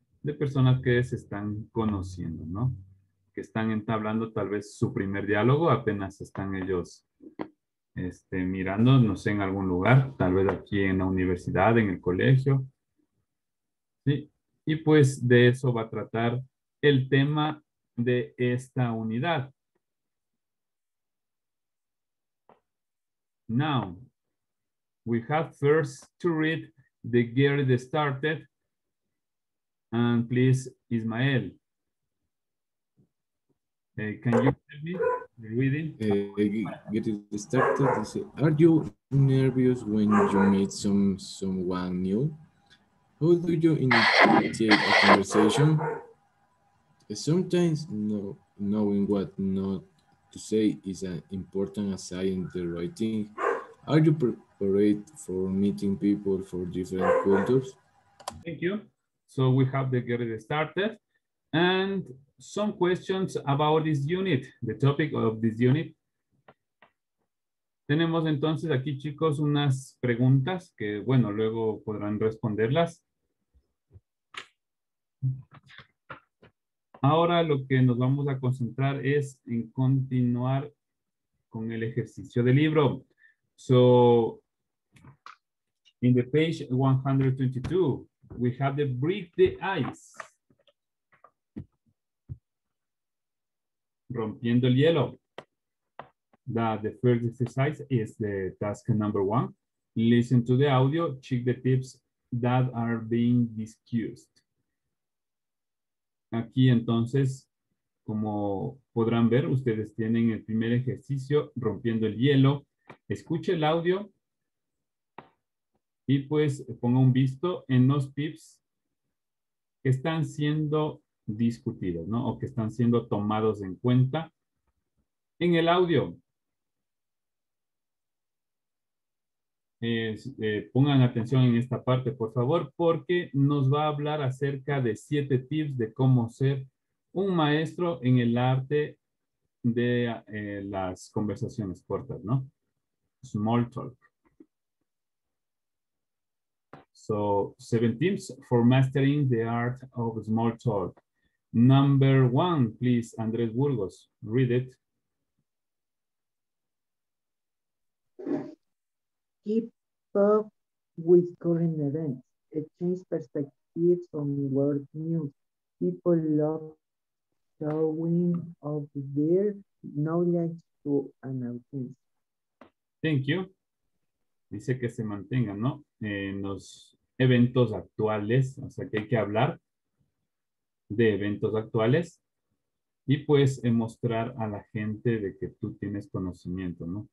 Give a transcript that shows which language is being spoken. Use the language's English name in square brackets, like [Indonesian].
[Spanish] De personas que se están conociendo, ¿no? Que están entablando tal vez su primer diálogo, apenas están ellos mirando, no sé, en algún lugar, tal vez aquí en la universidad, en el colegio. ¿Sí? Y pues de eso va a tratar el tema de esta unidad. [English] Now, we have first to read the Get It Started. And please, Ismael, can you tell me the reading? Get it started. Are you nervous when you meet someone new? How do you initiate a conversation? Sometimes knowing what not to say is an important aside in the writing. Are you prepared for meeting people from different cultures? Thank you. So we have the Get It Started and some questions about this unit, the topic of this unit. [Spanish] Tenemos entonces aquí, chicos, unas preguntas que, bueno, luego podrán responderlas. Ahora lo que nos vamos a concentrar es en continuar con el ejercicio del libro. [English] So, in the page 122, we have the break the ice. [Spanish] Rompiendo el hielo. [English] The first exercise is the task number one. Listen to the audio, check the tips that are being discussed. [Spanish] Aquí entonces, como podrán ver, ustedes tienen el primer ejercicio, rompiendo el hielo. Escuche el audio. Y pues ponga un visto en los tips que están siendo discutidos, ¿no? O que están siendo tomados en cuenta en el audio. Pongan atención en esta parte, por favor, porque nos va a hablar acerca de 7 tips de cómo ser un maestro en el arte de las conversaciones cortas, ¿no? [English] Small talk. So, 7 tips for mastering the art of small talk. Number one, please, Andrés Burgos, read it. Keep up with current events. Exchange perspectives on world news. People love showing off their knowledge to an audience. Thank you. [Spanish] Dice que se mantenga, ¿no? En los eventos actuales, o sea que hay que hablar de eventos actuales y pues mostrar a la gente de que tú tienes conocimiento, ¿no?